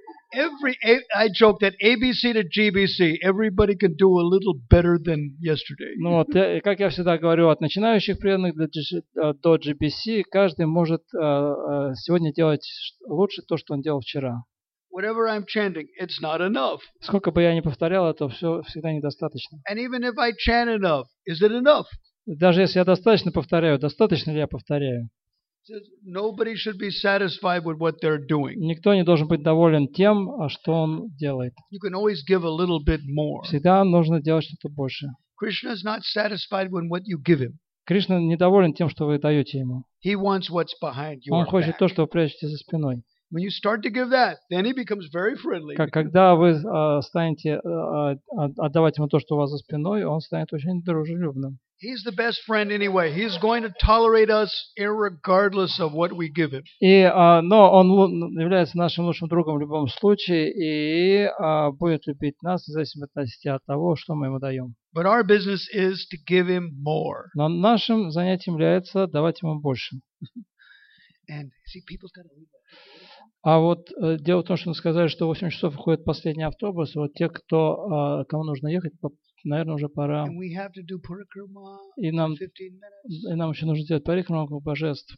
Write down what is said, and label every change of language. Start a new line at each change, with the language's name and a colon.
English: I joke that ABC to GBC, everybody can do a little better than yesterday.
Russian: Ну вот, как я всегда говорю, от начинающих преданных до GBC, каждый может сегодня делать лучше то, что он делал вчера.
English: Whatever I'm chanting, it's not enough.
Russian: Сколько бы я ни повторял, это все всегда недостаточно.
English: And even if I chant enough, is it enough?
Russian: Даже если я достаточно повторяю, достаточно ли я повторяю?
English: Nobody should be satisfied with what they're doing.
Russian: Никто не должен быть доволен тем, что он делает.
English: You can always give a little bit more.
Russian: Всегда нужно делать что-то больше.
English: Krishna is not satisfied with what you give him.
Russian: Кришна недоволен тем, что вы даете ему.
English: He wants what's behind your
Russian: Он хочет то, что вы прячете за спиной.
English: When you start to give that, then he becomes very friendly.
Russian: Когда вы станете отдавать ему то, что у вас за спиной, он станет очень дружелюбным.
English: He's the best friend anyway. He's going to tolerate us irregardless of what we give him.
Russian: Но он является нашим лучшим другом в любом случае и будет любить нас в зависимости от того, что мы ему даем.
English: But our business is to give him more.
Russian: Но нашим занятием является давать ему больше.
English: And see, people's got to leave.
Russian: А вот дело в том, что мы сказали, что в 8 часов выходит последний автобус. Вот те, кто, кому нужно ехать, наверное, уже пора. И нам еще нужно делать парикрама божеств.